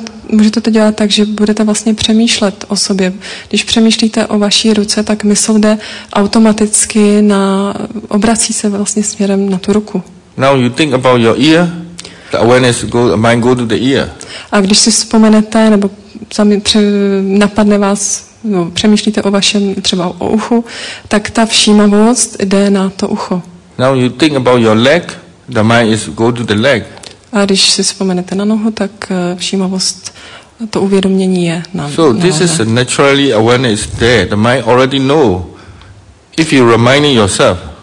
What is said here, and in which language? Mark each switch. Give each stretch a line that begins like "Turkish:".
Czech: Můžete to dělat tak, že budete vlastně přemýšlet o sobě. Když přemýšlíte o vaší ruce, tak mysl jde automaticky na, obrací se vlastně směrem na tu ruku.
English: Now you think about your ear, the awareness go, mind go to the ear.
Czech: A když si vzpomenete, nebo sami napadne vás, no, přemýšlíte o vašem, třeba o uchu, tak ta všímavost jde na to ucho.
English: Now you think about your leg, the mind is go to the leg.
Czech: A když si vzpomenete na nohu, tak všímavost, to uvědomění je na nohu.
English: So this is naturally awareness there, the mind already know, if you reminding yourself.